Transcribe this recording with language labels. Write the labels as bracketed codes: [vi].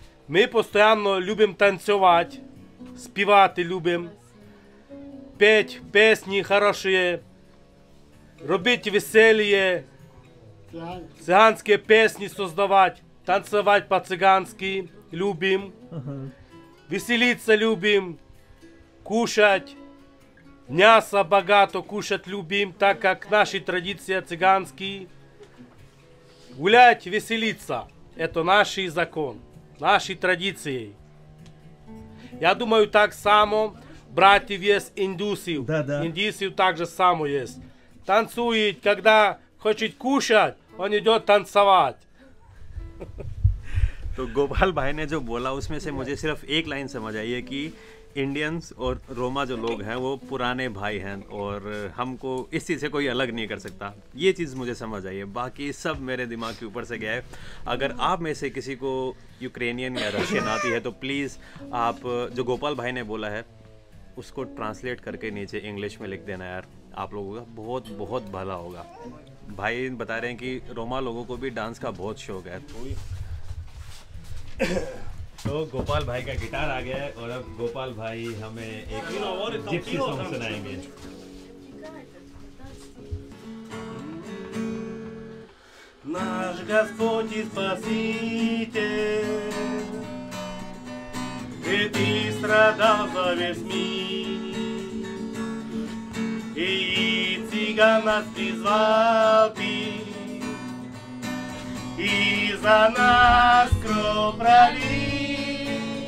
[uk] Ми постійно любимо танцювати, співати любимо, петь пісні хороші, робити веселі, циганські пісні создавати, танцювати по-циганськи любимо, веселитися любимо, кушати, м'ясо багато кушати любимо, так як наші традиції циганські, гуляти, веселитися, це наш закон. Наші традиції. Я думаю, так само братів є індусів. Да. Індусів так же само є. Танцюють, коли хочуть кушати, він йде танцювати. [hi] То Гопал бай не бола, у смісі мені сирф ек лайн зрозуміє, що Indians और रोमा जो लोग हैं वो पुराने भाई हैं और हमको इस चीज़ से कोई अलग नहीं कर सकता। ये चीज़ मुझे समझ आई है, बाकी सब मेरे दिमाग के ऊपर से गया है। अगर आप में से किसी को यूक्रेनियन या रशियन आती है तो प्लीज़ आप जो गोपाल भाई ने बोला है उसको ट्रांसलेट करके नीचे इंग्लिश में लिख देना यार, आप लोगों का बहुत बहुत भला होगा। भाई बता रहे हैं कि रोमा लोगों को भी डांस का बहुत शौक है। तो गोपाल भाई का गिटार आ गया है और अब गोपाल भाई हमें एक जिप्सी सॉन्ग सुनाएंगे। [ru] Наш Господь и Спаситель, ведь и страдал за весь мир, и цыгана призвал ты, и за нас кровь пролил.